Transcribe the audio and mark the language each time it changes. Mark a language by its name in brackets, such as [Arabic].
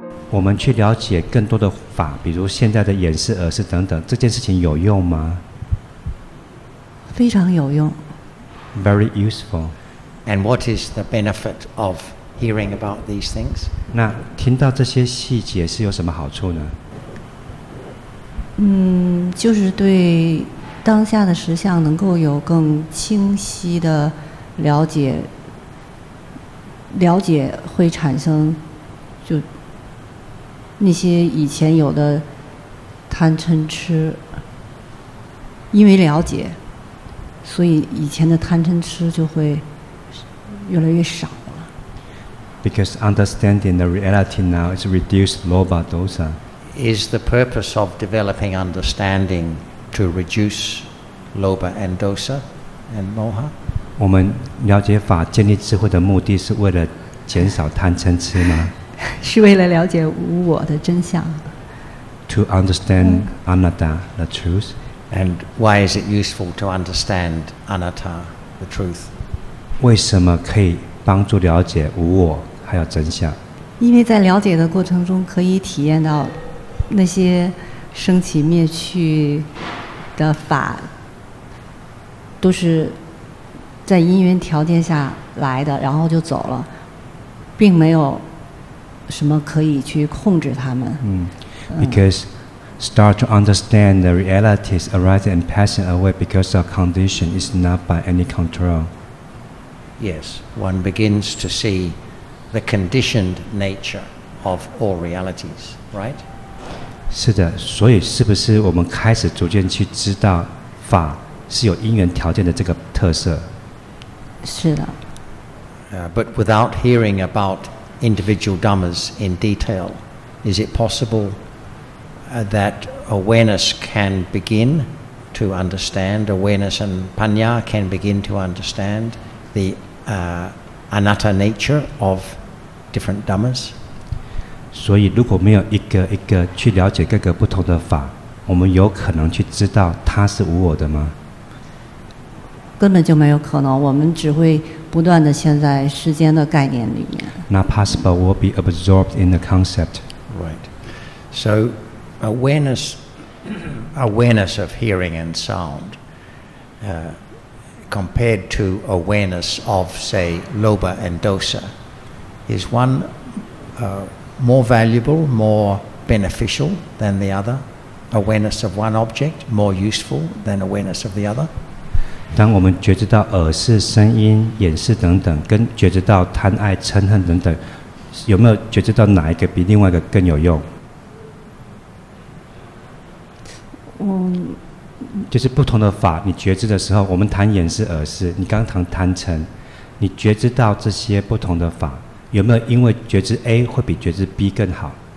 [Chinese] 我们去了解更多的法，比如现在的眼识、耳识等等，这件事情有用吗？非常有用。 [English] Very useful. And what is the benefit of hearing about these things? [Chinese] 那听到这些细节是有什么好处呢？就是对当下的实相能够有更清晰的了解，了解会产生就那些以前有的贪嗔痴，因为了解，所以以前的贪嗔痴就会越来越少了。 [English] Because understanding the reality now is reduced lobha dosa. Is the purpose of developing understanding to reduce lobha and dosa and moha? [Chinese] 我们了解法、建立智慧的目的是为了减少贪嗔痴吗？是为了了解无我的真相。 [English] To understand anatta, the truth. And why is it useful to understand anatta, the truth? [Chinese] 为什么可以帮助了解无我还有真相？因为在了解的过程中，可以体验到那些生起灭去的法，都是在因缘条件下来的，然后就走了，并没有什么可以去控制他们。 [English] Because start to understand the realities arising and passing away because our condition is not by any control. Yes, one begins to see the conditioned nature of all realities, right? [Chinese] 是的，所以是不是我们开始逐渐去知道法是有因缘条件的这个特色？是的。 [English] But without hearing about individual dhammas in detail, is it possible that awareness can begin to understand, awareness and panya can begin to understand the anatta nature of different dhammas? [Chinese] 所以如果没有一个一个去了解各个不同的法，我们有可能去知道它是无我的吗？根本就没有可能，我们只会不断地陷在时间的概念里面。 [English] Not possible, will be absorbed in the concept. Right. So awareness of hearing and sound, compared to awareness of, say, lobha and dosa, is one more valuable, more beneficial than the other? Awareness of one object more useful than awareness of the other? [Chinese] 当我们觉知到耳识、声音、眼识等等，跟觉知到贪爱、嗔恨等等，有没有觉知到哪一个比另外一个更有用？就是不同的法，你觉知的时候，我们谈眼识、耳识，你刚谈贪嗔，你觉知到这些不同的法，有没有因为觉知 A 会比觉知 B 更好？